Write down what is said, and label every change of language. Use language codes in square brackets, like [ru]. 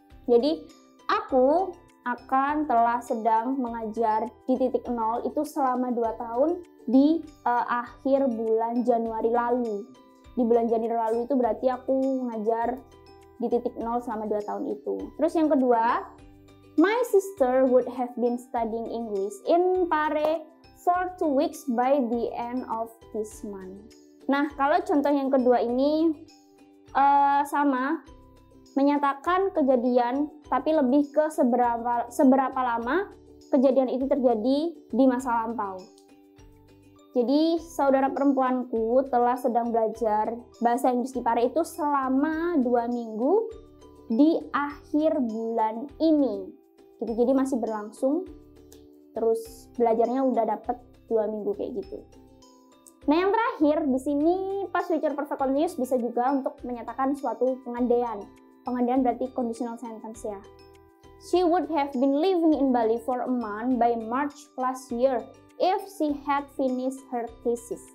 [id] Jadi, aku akan telah sedang mengajar di titik nol itu selama 2 tahun di akhir bulan Januari lalu. Di bulan Januari lalu itu berarti aku mengajar di titik nol selama 2 tahun itu. Terus yang kedua, [en] my sister would have been studying English in Pare for 2 weeks by the end of this month. [id] Nah, kalau contoh yang kedua ini sama, menyatakan kejadian tapi lebih ke seberapa lama kejadian itu terjadi di masa lampau. Jadi, saudara perempuanku telah sedang belajar bahasa Inggris di Pare itu selama 2 minggu di akhir bulan ini. Jadi masih berlangsung, terus belajarnya udah dapet 2 minggu kayak gitu. Nah, yang terakhir di sini past, future, perfect, continuous bisa juga untuk menyatakan suatu pengandaian. Pengandaian berarti conditional sentence ya. [en] She would have been living in Bali for a month by March last year if she had finished her thesis.